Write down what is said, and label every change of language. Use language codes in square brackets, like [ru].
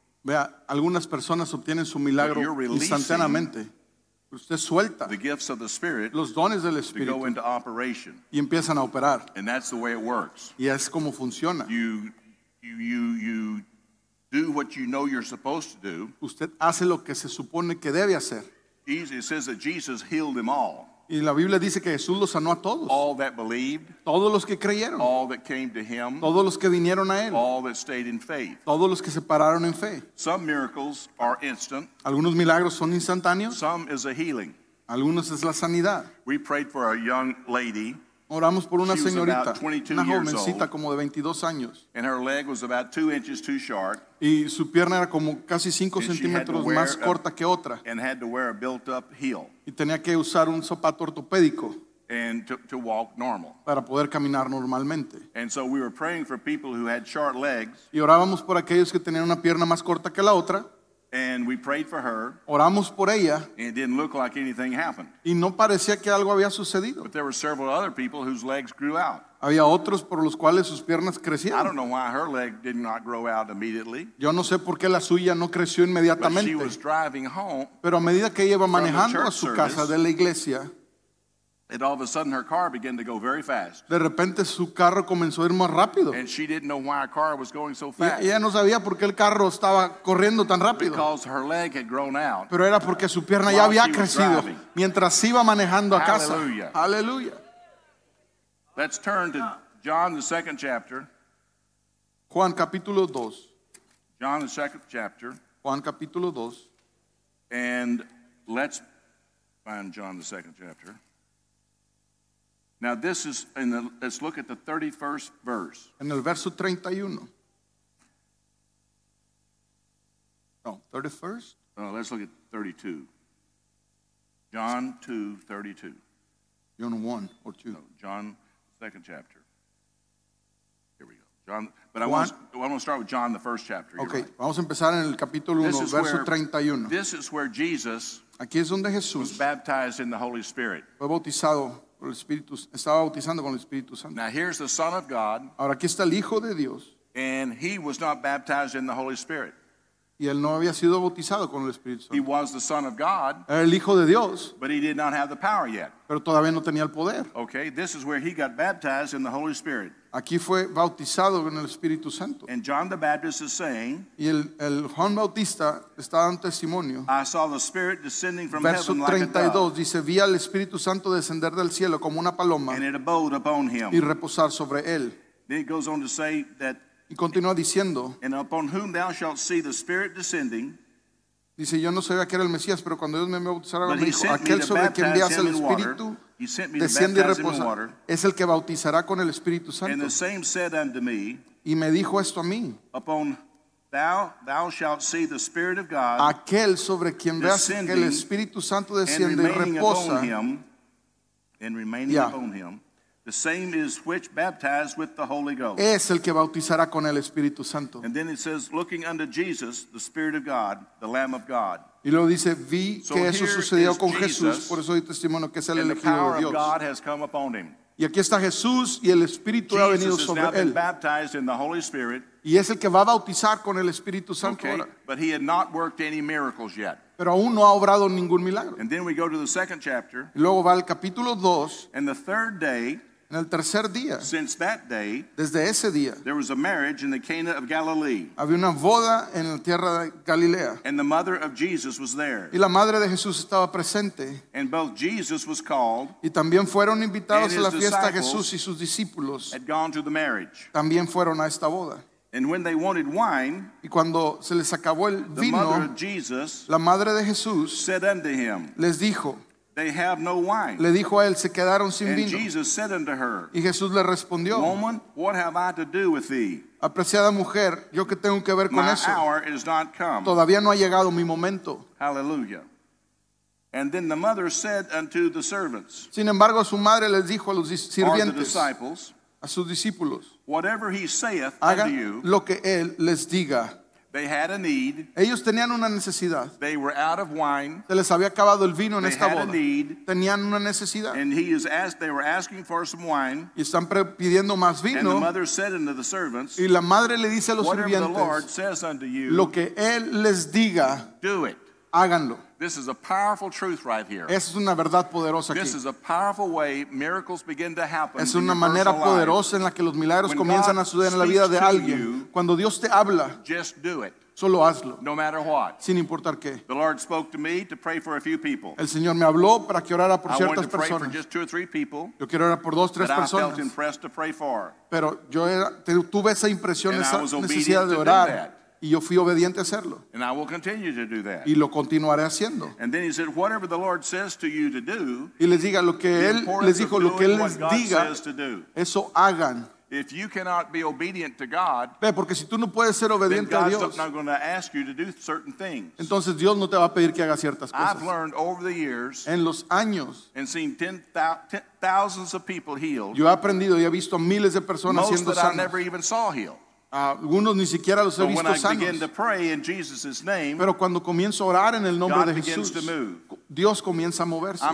[es] Vea, algunas personas obtienen su milagro instantáneamente. Usted suelta [en] the gifts of the Spirit, [es] los dones del Espíritu, [en] to go into operation. [es] Y empiezan a operar. [en] And that's the way it works. [es] Y es como funciona. [en] You do what you know you're supposed to do. [es] Usted hace lo que se supone que debe hacer. [en] It says that Jesus healed them all. [es] Y la Biblia dice que Jesús los sanó a todos. [en] All that believed, [es] todos los que creyeron. [en] All that came to him, [es] todos los que vinieron a él. [en] All that stayed in faith, [es] todos los que se pararon en fe. [en] Some miracles are instant, [es] algunos milagros son instantáneos. [en] Some is a healing, [es] algunos es la sanidad. [en] We prayed for a young lady. [es] Oramos por una [en] she [es] señorita, [en] was about 22 [es] una jovencita [en] years old, [es] como de 22 años. [en] And her leg was about 2 inches too short, [es] y su pierna era como casi 5 centímetros más corta que otra. [en] And had to wear a built up heel, [es] y tenía que usar un zapato ortopédico [en] and to walk normal, [es] para poder caminar normalmente. [en] And so we were praying for people who had short legs, [es] y orábamos por aquellos que tenían una pierna más corta que la otra. [en] And we prayed for her. [es] Oramos por ella. [en] And it didn't look like anything happened. [es] Y no parecía que algo había sucedido. [en] But there were several other people whose legs grew out. [es] Había otros por los cuales sus piernas crecieron. [en] I don't know why her leg did not grow out immediately. [es] Yo no sé por qué la suya no creció inmediatamente. [en] But she was driving home. [es] Pero a medida que ella iba manejando a su casa [en] service, [es] de la iglesia, [en] and all of a sudden her car began to go very fast. [es] De repente su carro comenzó a ir más rápido. [en] And she didn't know why her car was going so fast. [es] Ella no sabía por qué el carro estaba corriendo tan rápido. [en] Because her leg had grown out. [es] Pero era porque su pierna ya había crecido mientras iba manejando a casa. [en] Hallelujah. Hallelujah. Let's turn to John the second chapter. [es] Juan capítulo 2. [en] John the second chapter. [es] Juan capítulo 2. [en] And let's find John the second chapter. Now this is in the, let's look at the 31st verse. [es] En el verso 31. [en] No, 31st? No, let's look at 32. John 2, 32. John 1 or 2. No, John, second chapter. Here we go. John, but Juan, I want to start with John, the first chapter. Okay, right. [es] Vamos a empezar en el capítulo 1, verso 31. [en] This is where Jesus, [es] aquí es donde Jesús, [en] was baptized in the Holy Spirit. [es] Fue bautizado. El Espíritu, estaba bautizando con el Espíritu Santo. [en] Now here's the Son of God. [es] Ahora aquí está el Hijo de Dios. [en] And he was not baptized in the Holy Spirit. [es] Y él no había sido bautizado con el Espíritu Santo. [en] He was the Son of God. [es] Era el Hijo de Dios. [en] But he did not have the power yet. [es] Pero todavía no tenía el poder. [en] Okay, this is where he got baptized in the Holy Spirit. [es] Aquí fue bautizado con el Espíritu Santo. [en] And John the Baptist is saying, [es] y el Juan Bautista está dando testimonio. [en] I saw the Spirit descending from heaven like a dove. [es] Verso 32 dice, vi al Espíritu Santo descender del cielo como una paloma. [en] And it abode upon him. [es] Y reposar sobre él. [en] Then it goes on to say that, [es] y continúa diciendo, [en] and upon whom thou shalt see the Spirit descending. [es] Dice, yo no sabía que era el Mesías, pero cuando Dios me bautizara, me dijo, aquel sobre quien envías el Espíritu desciende y reposa, es el que bautizará con el Espíritu Santo. [en] And the same said unto me, [es] y me dijo esto a mí, [en] upon thou shalt see the Spirit of God, [es] aquel sobre quien veas que el Espíritu Santo desciende y reposa, [en] and remaining upon him. The same is which baptized with the Holy Ghost. [es] Es el que bautizará con el Espíritu Santo. [en] And then it says, looking unto Jesus, the Spirit of God, the Lamb of God. [es] Y luego dice, vi que eso sucedió con Jesús, por eso doy testimonio que es el elegido de Dios. [en] And the power of God has come upon him. [es] Y aquí está Jesús y el Espíritu ha venido sobre él. [en] Jesus has been baptized in the Holy Spirit. [es] Y es el que va a bautizar con el Espíritu Santo. [en] Okay, but he had not worked any miracles yet. [es] Pero aún no ha obrado ningún milagro. [en] And then we go to the second chapter. [es] Y luego va al capítulo 2. [en] And the third day. [es] En el tercer día. [en] Since that day. [es] Desde ese día. [en] There was a marriage in the Cana of Galilee. [es] Había una boda en la tierra de Galilea. [en] And the mother of Jesus was there. [es] Y la madre de Jesús estaba presente. [en] And both Jesus was called. [es] Y también fueron invitados a la fiesta Jesús y sus discípulos. [en] Had gone to the marriage. [es] También fueron a esta boda. [en] And when they wanted wine, [es] y cuando se les acabó el vino, [en] the mother of Jesus, [es] la madre de Jesús, [en] said unto him, [es] les dijo, [en] they have no wine. [es] Le dijo a él, se quedaron sin [en] and [es] vino. [en] Jesus said unto her, [es] y Jesús le respondió, [en] woman, what have I to do with thee? [es] Apreciada mujer, yo que tengo que ver con [en] my [es] eso. [en] Hour is not come. [es] Todavía no ha llegado mi momento. [en] Hallelujah. And then the mother said unto the servants, [es] sin embargo, su madre les dijo a los sirvientes, [en] or the disciples, [es] a sus discípulos, [en] whatever he saith [es] hagan [en] unto you, [es] lo que él les diga. [en] They had a need. [es] Ellos tenían una necesidad. [en] They were out of wine. [es] Se les había acabado el vino [en] they [es] en esta boda. [en] They had a need. [es] Tenían una necesidad. [en] And he is asked, they were asking for some wine. [es] Y están pidiendo más vino. [en] And the mother said unto the servants, [es] y la madre le dice a los [en] whatever [es] sirvientes, [en] the Lord says unto you, [es] lo que él les diga, [en] do it. [es] Háganlo. [en] This is a powerful truth right here. [es] Esa es una verdad poderosa aquí. [en] This is a powerful way miracles begin to happen. [es] Es una manera poderosa en la que los milagros comienzan a suceder en la vida de alguien. Cuando Dios te habla, [en] just do it. [es] Solo hazlo. [en] No matter what. [es] Sin importar qué. [en] The Lord spoke to me to pray for a few people. [es] El Señor me habló para que orara por ciertas personas. [en] I wanted to pray for just two or three people. [es] Yo quiero orar por dos, tres personas. [en] That I felt impressed to pray for. [es] Pero yo tuve esa impresión, esa necesidad de orar. Y yo fui obediente a hacerlo. [en] And I will continue to do that. [es] Y lo continuaré haciendo. [en] And then he said, whatever the Lord says to you to do, [es] y les diga lo que él les dijo, lo que él les diga, eso hagan. [en] If you cannot be obedient to God, [es] ve, porque si tú no puedes ser obediente [en] then [es] a Dios, [en] God's not going to ask you to do certain things. [es] Entonces Dios no te va a pedir que hagas ciertas cosas. [en] I've learned over the years, [es] en los años, [en] and seen thousands of people healed, [es] yo he aprendido y he visto miles de personas [en] most [es] siendo sanos. [en] I never even saw healed. [es] Algunos ni siquiera los he visto sanos. Pero cuando comienzo a orar en el nombre de Jesús, Dios comienza a moverse.